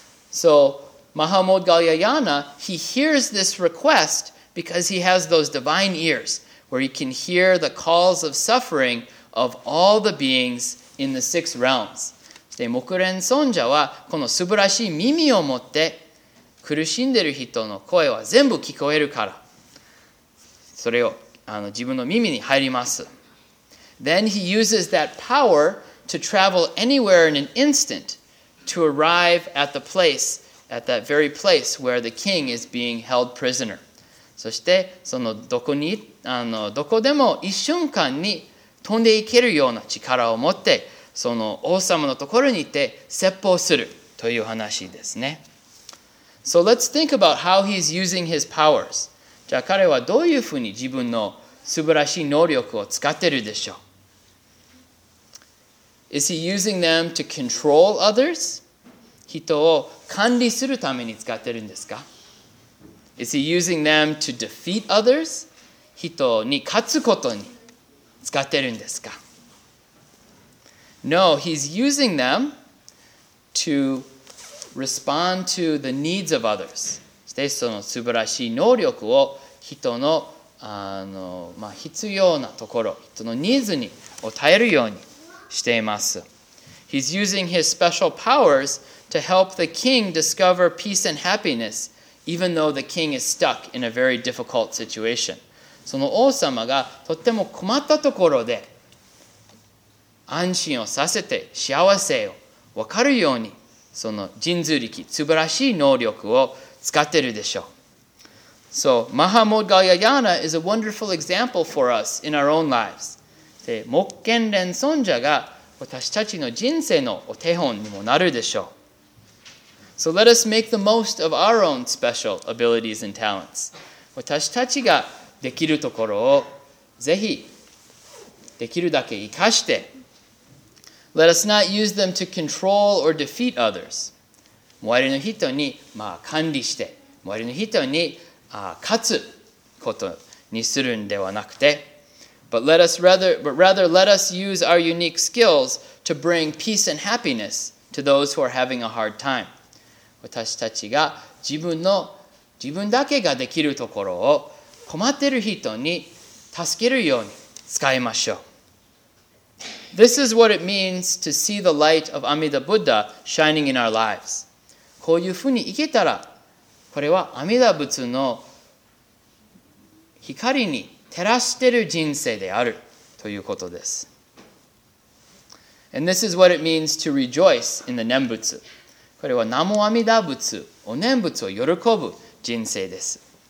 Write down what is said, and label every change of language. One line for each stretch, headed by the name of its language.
English: So, Mahamudgalyayana, he hears this request because he has those divine ears where he can hear the calls of suffering of all the beings in the six realms.
Japanese: で、目連尊者はこの素晴らしい耳を持って苦しんでる人の声は全部聞こえるから、それを自分の耳に入ります。
English: Then he uses that power to travel anywhere in an instant to arrive at the place, at that very place where the king is being held prisoner.
Japanese: そしてそのどこでも一瞬間に飛んでいけるような力を持って、その王様のところに行って説法するという話ですね。
English: So let's think about how he's using his powers.
Japanese: じゃあ彼はどういうふうに自分の素晴らしい能力を使ってるでしょう?
English: Is he using them to control others?
Japanese: 人を管理するために使ってるんですか?
English: Is he using them to defeat others?
Japanese: 人に勝つことに使ってるんですか?
English: No, he's using them to respond to the needs of others.
Japanese: そしてその素晴らしい能力を人の、必要なところ、人のニーズに応えるようにしています。
English: He's using his special powers to help the king discover peace and happiness, even though the king is stuck in a very difficult situation.
Japanese: その王様がとっても困ったところで安心をさせて幸せを分かるようにその神通力、素晴らしい能力を使ってるでしょう。
English: So, Mahamud Galyayana is a wonderful example for us in our own lives.
Japanese: で、目犬連尊者が私たちの人生のお手本にもなるでしょう。
English: So let us make the most of our own special abilities and talents.
Japanese: 私たちができるところをぜひできるだけ生かして。
English: Let us not use them to control or defeat others.
Japanese: 周りの人に管理して、周りの人に勝つことにするんではなくて、
English: But rather, let us use our unique skills to bring peace and happiness to those who are having a hard time.
Japanese: 私たちが自分だけができるところを困っている人に助けるように使いましょう。
English: This is what it means to see the light of Amida Buddha shining in our lives.
Japanese: こういうふうに生きたら、これは阿弥陀仏の光に照らしている人生であるということです。
English: And this is what it means to rejoice in the 念仏。
Japanese: これは南無阿弥陀仏、お念仏を喜ぶ人生です。